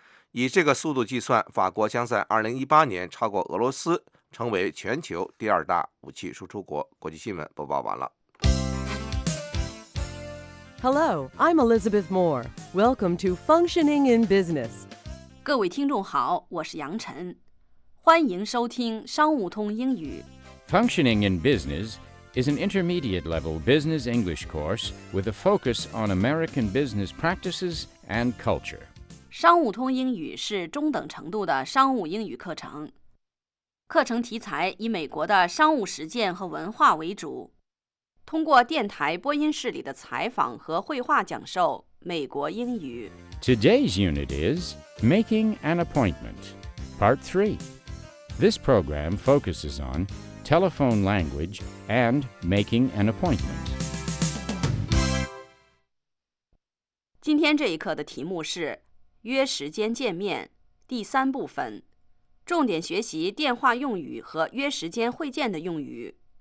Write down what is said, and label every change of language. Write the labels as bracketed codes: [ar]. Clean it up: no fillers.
[zh] 以这个速度计算，法国将在2018年超过俄罗斯，成为全球第二大武器输出国。国际新闻播报完了。 [en] Hello, I'm Elizabeth Moore. Welcome to Functioning in Business. [zh] 各位听众好，我是杨晨，欢迎收听商务通英语。 [en] Functioning in Business is an intermediate level business English course with a focus on American business practices and culture. [zh] 商务通英语是中等程度的商务英语课程。课程题材以美国的商务实践和文化为主，通过电台播音室里的采访和绘画讲授美国英语。 [en] Today's unit is Making an Appointment, Part 3. This program focuses on telephone language and making an appointment. [zh] 今天这一课的题目是约时间见面，第三部分，重点学习电话用语和约时间会见的用语。